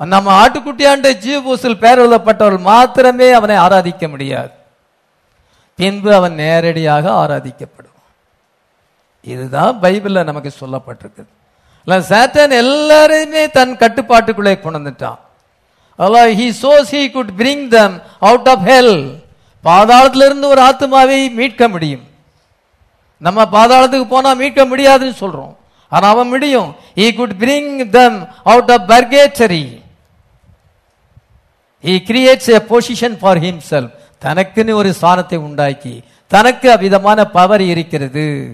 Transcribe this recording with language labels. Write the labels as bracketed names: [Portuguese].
[Tamil] நம்ம ஆட்டுக்குட்டியாண்ட ஜீவபூசில் பேரழுதப்பட்டவர்கள் மாத்திரமே அவனை ஆராதிக்க முடியாது, பின்பு அவன் நேரடியாக ஆராதிக்கப்படும். இதுதான் பைபிள்ல நமக்கு சொல்லப்பட்டிருக்கு. சாத்தான் எல்லாரையுமே தன் கட்டுப்பாட்டுக்குள்ளே கொண்டுட்டான். [English] He shows he could bring them out of hell. [Tamil] பாதாளத்திலிருந்து ஒரு ஆத்மாவை மீட்க முடியும். நம்ம பாதாளத்துக்கு போனா மீட்க முடியாதுன்னு சொல்றோம், ஆனா அவன் முடியும். [English] He could bring them out of purgatory. He creates a position for himself. [Tamil] தனக்குன்னு ஒரு ஸ்தானத்தை உண்டாக்கி தனக்கு அவ்விதமான பவர் இருக்கிறது.